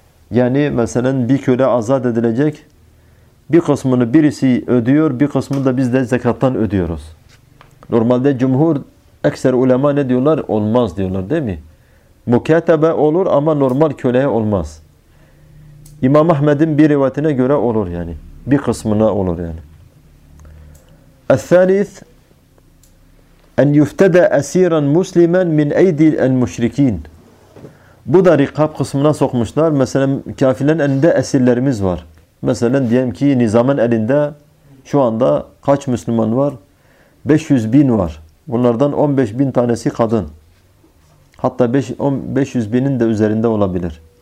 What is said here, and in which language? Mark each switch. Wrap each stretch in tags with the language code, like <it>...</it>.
<tr>Yani mesela bir köle azat edilecek, bir kısmını birisi ödüyor, bir kısmını da biz de zekattan ödüyoruz. Normalde cumhur, ekser ulema ne diyorlar? Olmaz diyorlar değil mi? Mukatebe olur ama normal köleye olmaz. İmam Ahmed'in bir rivayetine göre olur yani. Bir kısmına olur yani.</tr> <ar>El-Thalith أن يفتدى أسيرا مسلما من أيدي المشركين.</ar> <tr>Bu da rikab kısmına sokmuşlar. Mesela kafirlerin elinde esirlerimiz var. Mesela diyelim ki nizamın elinde şu anda kaç Müslüman var? 500 bin var. Bunlardan 15 bin tanesi kadın. Hatta 500 binin de üzerinde olabilir.</tr>